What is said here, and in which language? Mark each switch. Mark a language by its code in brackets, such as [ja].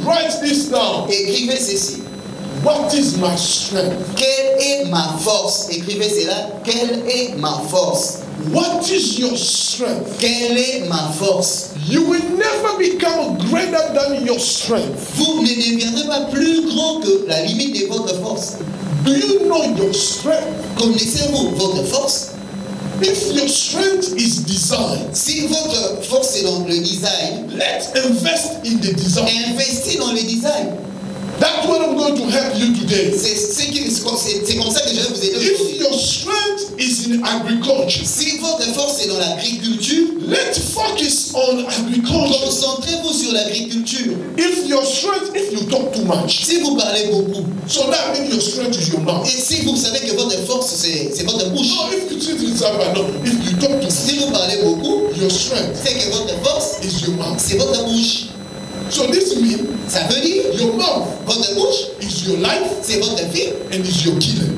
[en] Write this down. [fr] Écrivez ceci. [en] What is my strength? [fr] Quelle est ma force? Écrivez cela. Quelle est ma force? [en] What is your strength? [fr] Quelle est ma force? [en] You will never become greater than your strength. [fr] Vous ne deviendrez pas plus grand que la limite de votre force. [en] Do you know your strength? [fr] Connaissez-vous votre force? [en] If your strength is design, [fr] si votre force est dans le design, [en] let's invest in the design. [fr] Investis dans le design. [en] That's what I'm going to help you today. [fr] C'est comme ça que je vais vous aider. [en] If your strength is in agriculture, [fr] si votre force est dans l'agriculture, [en] let focus on agriculture. [fr] Concentrez-vous sur l'agriculture. [en] If your strength, if you talk too much, [fr] si vous parlez beaucoup, [en] so that means your strength is your mouth. [fr] Et si vous savez que votre force c'est votre bouche. [en] No, if you treat yourself no, if you talk too much, [fr] si vous parlez beaucoup, [en] your strength, [fr] c'est que votre force [en] is your mouth, [fr] c'est votre bouche. [en] So this means, [fr] ça veut dire, [en] your mouth, [fr] votre bouche, [en] is your life, [fr] c'est votre vie, [en] and is your killer.